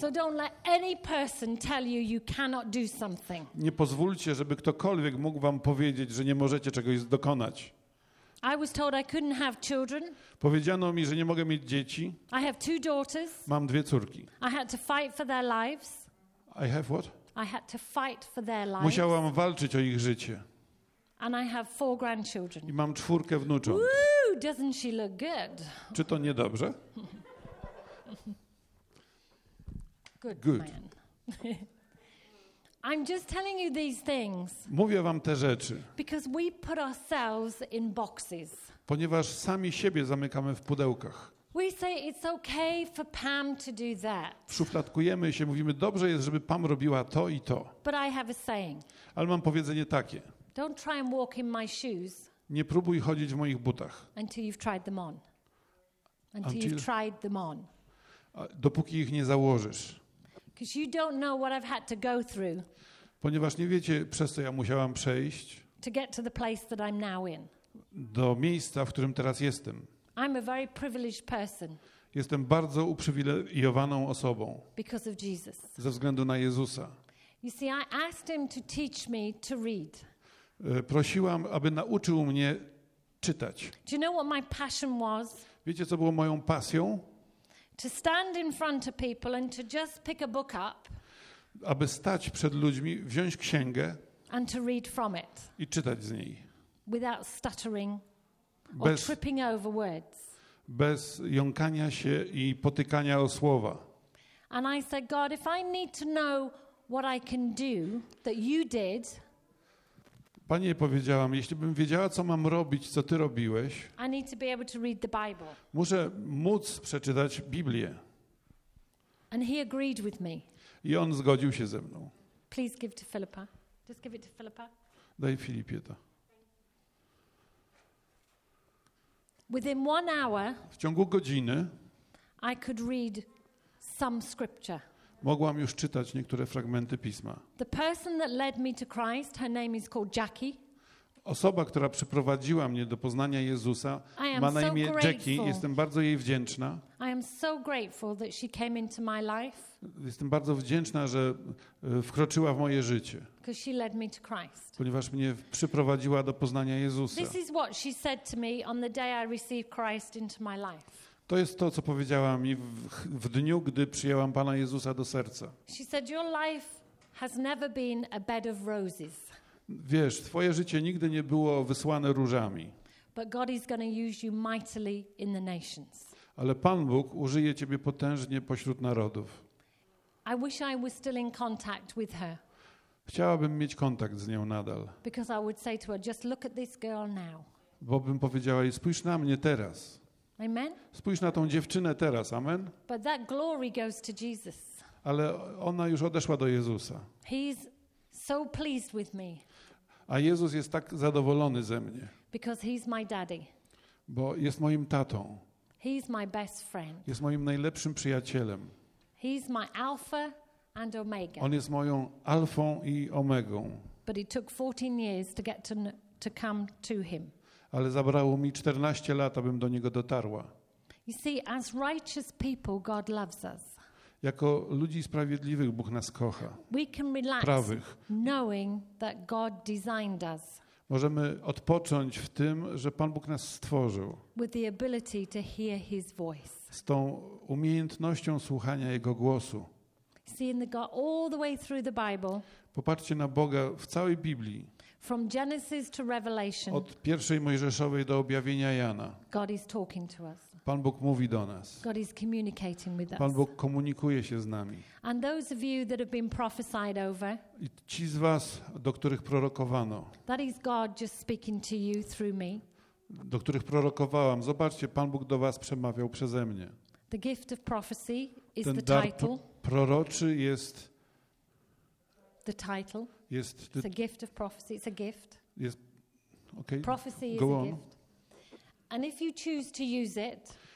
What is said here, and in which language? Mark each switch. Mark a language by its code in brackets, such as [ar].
[en] So don't let any person tell you you cannot do something. [pl] Nie pozwólcie, żeby ktokolwiek mógł wam powiedzieć, że nie możecie czegoś dokonać. [en] I was told I couldn't have children. [pl] Powiedziano mi, że nie mogę mieć dzieci. [en] I have two daughters. [pl] Mam dwie córki. [en] I had to fight for their lives. I have what? I had to fight for their lives. [pl] Musiałam walczyć o ich życie. [en] And I have four grandchildren. [pl] I mam czwórkę wnucząt. [en] Woo, doesn't she look good? [pl] Czy to nie dobrze? [en] Good man. I'm just telling you these things. [pl] Mówię wam te rzeczy. [en] Because we put ourselves in boxes. [pl] Ponieważ sami siebie zamykamy w pudełkach. [en] We say it's okay for Pam to do that. [pl] Przyszufladkujemy się, mówimy dobrze jest, żeby Pam robiła to i to. [en] But I have a saying. [pl] Ale mam powiedzenie takie. [en] Don't try and walk in my shoes. [pl] Nie próbuj chodzić w moich butach. [en] Until you've tried them on. Until you've tried them on. [pl] Dopóki ich nie założysz. [en] Because you don't know what I've had to go through. [pl] Ponieważ nie wiecie, przez co ja musiałam przejść. [en] To get to the place that I'm now in. [pl] Do miejsca, w którym teraz jestem. [en] I'm a very privileged person. [pl] Jestem bardzo uprzywilejowaną osobą. [en] Because of Jesus. [pl] Ze względu na Jezusa. [en] You see, I asked him to teach me to read. [pl] Prosiłam, aby nauczył mnie czytać. [en] Do you know what my passion was? [pl] Wiecie, co było moją pasją? [en] To stand in front of people and to just pick a book up. [pl] Aby stać przed ludźmi, wziąć księgę [en] and to read from it. [pl] I czytać z niej. [en] Without stuttering or tripping over words. [pl] Bez jąkania się i potykania o słowa. [en] And I said, God, if I need to know what I can do that you did. [pl] Panie, powiedziałam, jeśli bym wiedziała, co mam robić, co ty robiłeś, [en] I need to be able to read the Bible. [pl] Muszę móc przeczytać Biblię. [en] And he agreed with me. [pl] I on zgodził się ze mną. [en] Please give to Philippa. Just give it to Philippa. [pl] Daj Filipie to. [en] Within one hour, [pl] w ciągu godziny [en] I could read some scripture. [pl] Mogłam już czytać niektóre fragmenty Pisma. [en] The person that led me to Christ, her name is called Jackie. [pl] Osoba, która przyprowadziła mnie do poznania Jezusa, ma na imię Jackie. Jestem bardzo jej wdzięczna. [en] I am so grateful that she came into my life. [pl] Jestem bardzo wdzięczna, że wkroczyła w moje życie. [en] Because she led me to Christ. [pl] Ponieważ mnie przyprowadziła do poznania Jezusa. [en] This is what she said to me on the day I received Christ into my life. [pl] To jest to, co powiedziała mi w dniu, gdy przyjęłam Pana Jezusa do serca. [en] She said, your life has never been a bed of roses. [pl] Wiesz, twoje życie nigdy nie było wysłane różami. [en] But God is going to use you mightily in the nations. [pl] Ale Pan Bóg użyje ciebie potężnie pośród narodów. [en] I wish I was still in contact with her. [pl] Chciałabym mieć kontakt z nią nadal. [en] Because I would say to her, just look at this girl now. [pl] Bo bym powiedziała jej, spójrz na mnie teraz. [en] Amen. [pl] Spójrz na tą dziewczynę teraz. [en] Amen. But that glory goes to Jesus. [pl] Ale ona już odeszła do Jezusa. [en] He's so pleased with me. [pl] A Jezus jest tak zadowolony ze mnie. [en] Because he's my daddy. [pl] Bo jest moim tatą. [en] He's my best friend. [pl] Jest moim najlepszym przyjacielem. [en] He's my alpha and omega. [pl] On jest moją alfą i omegą. [en] But it took 14 years to get to come to him. [pl] Ale zabrało mi 14 lat, abym do niego dotarła. [en] You see, as righteous people, God loves us. [pl] Jako ludzi sprawiedliwych Bóg nas kocha. [en] We can relax, [pl] prawych. [en] Knowing that God designed us. [pl] Możemy odpocząć w tym, że Pan Bóg nas stworzył. [en] With the ability to hear his voice. [pl] Z tą umiejętnością słuchania Jego głosu. [en] See in the God, all the way through the Bible, [pl] popatrzcie na Boga w całej Biblii. [en] From Genesis to Revelation, [pl] od pierwszej Mojżeszowej do objawienia Jana. [en] God is talking to us. [pl] Pan Bóg mówi do nas. [en] God is communicating with us. [pl] Pan Bóg komunikuje się z nami. [en] And those of you that have been prophesied over, [pl] i ci z was, do których prorokowano, [en] that is God just speaking to you through me, [pl] do których prorokowałam, zobaczcie, Pan Bóg do was przemawiał przeze mnie. [en] The gift of prophecy is [pl] ten [en] the title. [pl] Proroczy jest [en] the title. [pl] Jest [en] it's a gift of prophecy. It's a gift. [pl] Jest, okay. [en] Prophecy go is on. A gift. And if you choose to use it,